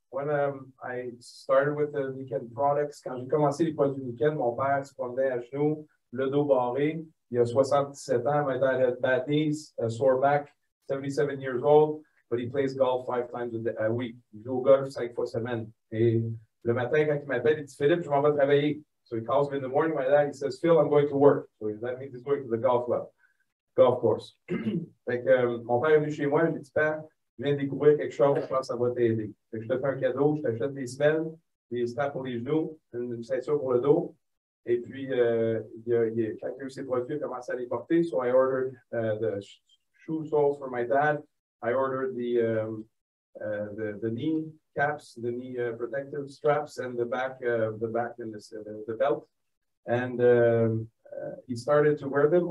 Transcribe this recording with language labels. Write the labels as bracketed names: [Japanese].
[English] When I started with the Nikon products, [French] quand j'ai commencé les produits Nikon, mon père se promenait à genoux, le dos barré. Il a 77 ans, maintenant il a [English] bad knees, a sore back, 77 years old. But he plays golf 5 times a week. [French] Il joue au golf 5 fois semaine. Et le matin, quand il m'appelle, il dit, Philippe, je m'en vais travailler. [English] So he calls me in the morning, my dad, he says, Phil, I'm going to work. So that means he's going to the golf club, golf course. [French] Fait que mon père est venu chez moi, j'ai dit, père, je viens découvrir quelque chose, je pense que ça va t'aider. Fait que je te fais un cadeau, je t'achète des semelles, des straps pour les genoux, une ceinture pour le dos. Et puis, quand il a eu ses produits, il a commencé à les porter. [English] So I ordered the shoe soles for my dad. I ordered the knee caps, the knee protective straps, and the back and the belt, and he started to wear them.